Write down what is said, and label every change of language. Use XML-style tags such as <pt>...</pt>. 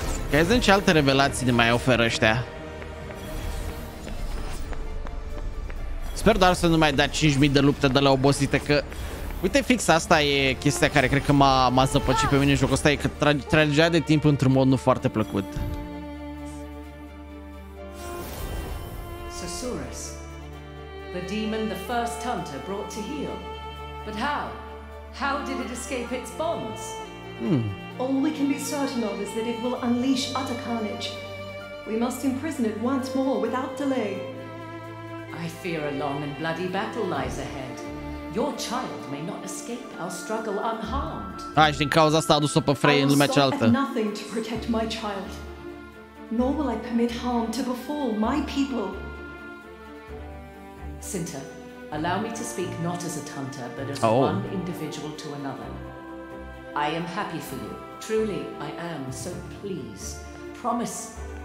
<ro>Guys, ce alte revelații ne mai oferă ăștia? Sper doar să nu mai dea 5.000 de lupte de la obosite, că uite, fix asta e chestia care cred că m-a zăpăcit pe mine în jocul ăsta, e că tragea de timp într-un mod nu foarte plăcut.</ro> <en>Susurrus, the demon the first hunter brought to heal. But how? How did it escape its bonds? All we can be certain of is that it will unleash utter carnage. We must imprison it once more without delay. I fear a long and bloody battle lies ahead. Your child may not escape our struggle unharmed.</en> <ro>Ah, din cauza asta a dus-o pe Frey în lumea cealaltă.</ro> <en>Nothing to protect my child. Nor will I permit harm to befall my people. Cinta, allow me to speak not as a hunter, but as one individual to another. I am happy for you. Truly, I am. So please, promise.</en>